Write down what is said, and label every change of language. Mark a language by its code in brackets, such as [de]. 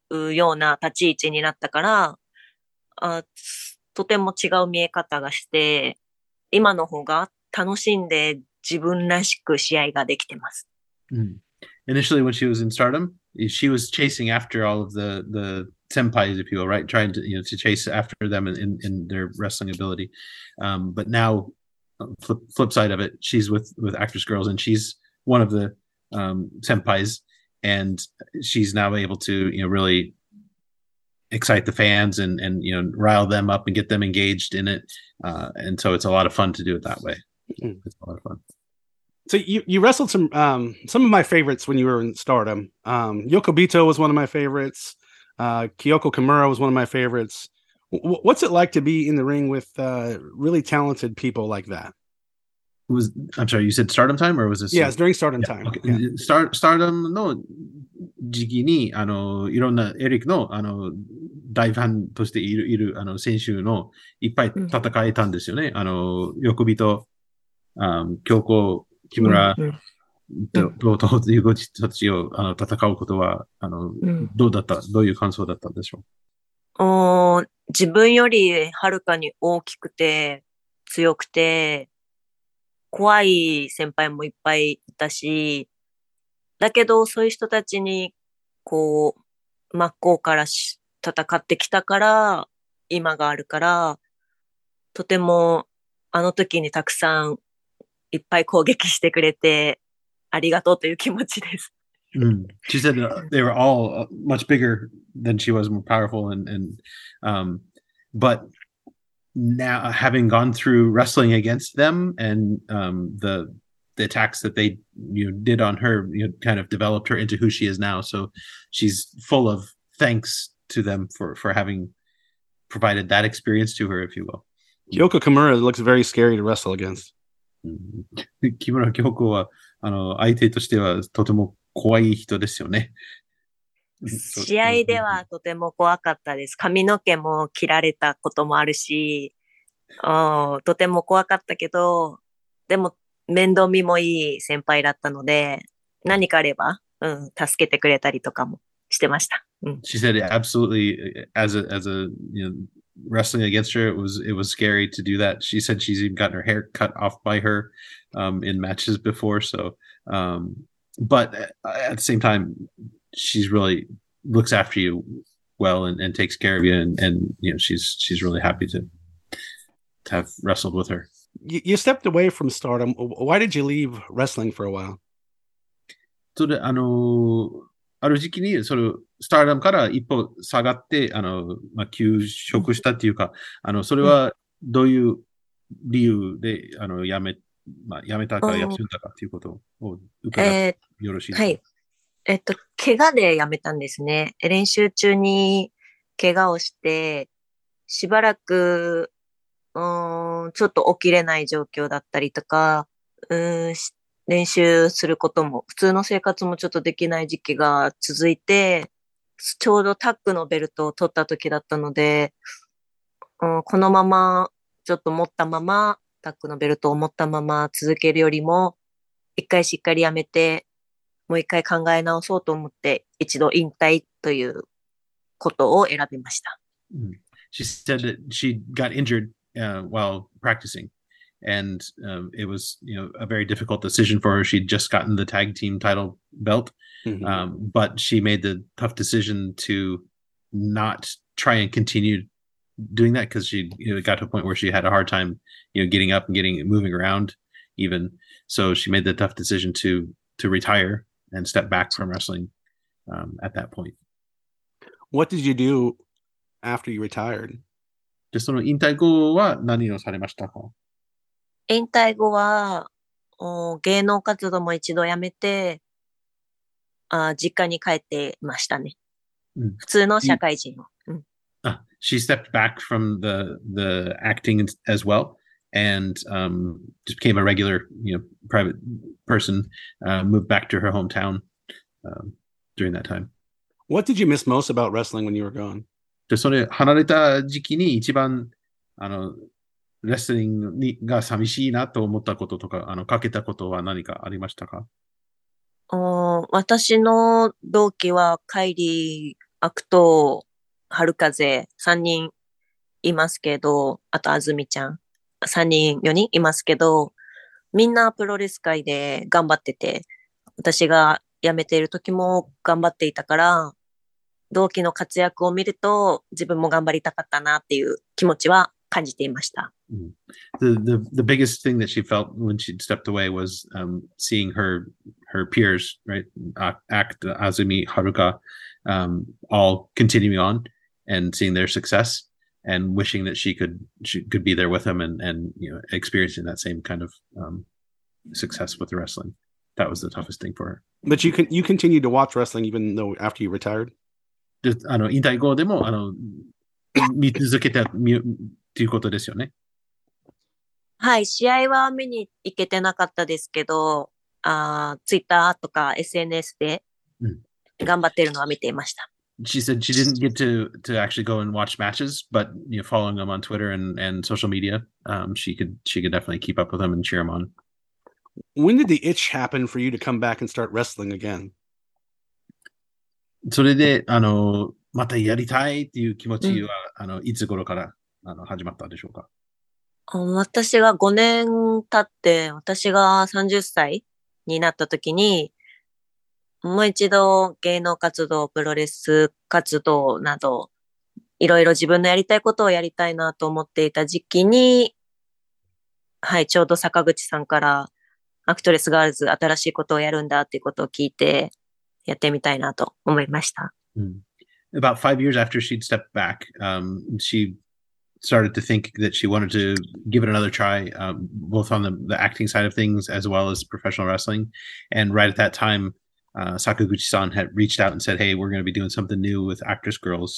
[ja] るような立ち位置になったから、とても違う見え方がして、今の方が楽しんで自分らしく試合ができてます。 [en] Initially, when she was in stardom, she was chasing after all of the senpais, if you will, right? Trying to chase after them in their wrestling ability. But now, flip side of it, she's with Actress Girls, and she's one of the senpais, and she's now able to, really excite the fans and rile them up and get them engaged in it. And so it's a lot of fun to do it that way. It's a lot of fun. So you wrestled some of my favorites when you were in stardom. Yokobito was one of my favorites. Kyoko Kimura was one of my favorites. What's it like to be in the ring with really talented people like that? I'm sorry, you said stardom time or was this? Yeah, it's during stardom time. Okay. Yeah. [ja] Stardom の時期にいろんなエリックの大ファンとしている、いる選手のいっぱい戦えたんですよね。 Yokobito、Kyoko、木村と友達たちを戦うことはどうだった、どういう感想だったんでしょう。自分よりはるかに大きくて強くて怖い先輩もいっぱいいたし、だけどそういう人たちにこう真っ向から戦ってきたから今があるから、とてもあの時にたくさんいっぱい攻撃してくれてありがとうという気持ちです。 [en] She said they were all much bigger than she was, more powerful, and but now having gone through wrestling against them and the attacks that they did on her, kind of developed her into who she is now. So she's full of thanks to them for having provided that experience to her, if you will. Kyoko Kimura looks very scary to wrestle against. [ja] 木村京子は相手としてはとても怖い人ですよね。試合ではとても怖かったです。髪の毛も切られたこともあるし、とても怖かったけど、でも面倒見もいい先輩だったので、何かあれば、助けてくれたりとかもしてました。 [en] She said absolutely as a wrestling against her. It was scary to do that. She said she's even gotten her hair cut off by her in matches before. So, but at the same time, she's really looks after you well and takes care of you. And you know, she's really happy to have wrestled with her. You stepped away from stardom. Why did you leave wrestling for a while? So the, [ja] ある時期にそのスターダムから一歩下がってまあ、休職したっていうかそれはどういう理由で辞めたか休んだかっていうことを伺ってよろしいですか。はい、怪我で辞めたんですね。練習中に怪我をしてしばらくちょっと起きれない状況だったりとか練習することも、普通の生活もちょっとできない時期が続いて、ちょうどタッグのベルトを取った時だったので、このまま、ちょっと持ったまま、タッグのベルトを持ったまま続けるよりも、一回しっかりやめて、もう一回考え直そうと思って、一度引退ということを選びました。 [en] She said that she got injured, while practicing. And it was, you know, a very difficult decision for her. She'd just gotten the tag team title belt, but she made the tough decision to not try and continue doing that because she got to a point where she had a hard time, you know, getting up and getting moving around even. So she made the tough decision to retire and step back from wrestling at that point. What did you do after you retired? [ja] で、その引退後は何をされましたか？引退後は、芸能活動も一度やめて、実家に帰ってましたね。普通の社会人を。 [en] She stepped back from the acting as well, and just became a regular, you know, private person, moved back to her hometown during that time. What did you miss most about wrestling when you were gone? [ja] で、それ、離れた時期に一番、レスリングにが寂しいなと思ったこととか、かけたことは何かありましたか？私の同期は、カイリー、アクト、ハルカゼ、3人いますけど、あとアズミちゃん、3人、4人いますけど、みんなプロレス界で頑張ってて、私が辞めている時も頑張っていたから、同期の活躍を見ると、自分も頑張りたかったなっていう気持ちは感じていました。 [en] The biggest thing that she felt when she stepped away was seeing her peers, right, Act, Azumi, Haruka, all continuing on and seeing their success and wishing that she could be there with them and you know experiencing that same kind of success with the wrestling. That was the toughest thing for her. But you continued to watch wrestling even though after you retired. [ja] 引退後でも見続けたということですよね。はい、試合は見に行けてなかったですけど、ツイッターとか SNS で頑張ってるのは見ていました。 [en] She said she didn't get to actually go and watch matches, but you know, following them on Twitter and social media, she could definitely keep up with them and cheer them on. When did the itch happen for you to come back and start wrestling again? [ja] それで、またやりたいっていう気持ちは、いつ頃から始まったでしょうか？私が5年経って、私が30歳になった時に、もう一度芸能活動、プロレス活動など、いろいろ自分のやりたいことをやりたいなと思っていた時期に、はい、ちょうど坂口さんから、アクトレスガールズ新しいことをやるんだっていうことを聞いて、やってみたいなと思いました。 [en] About 5 years after she'd stepped back, she started to think that she wanted to give it another try, both on the acting side of things as well as professional wrestling. And right at that time, Sakaguchi-san had reached out and said, hey, we're going to be doing something new with Actress Girls.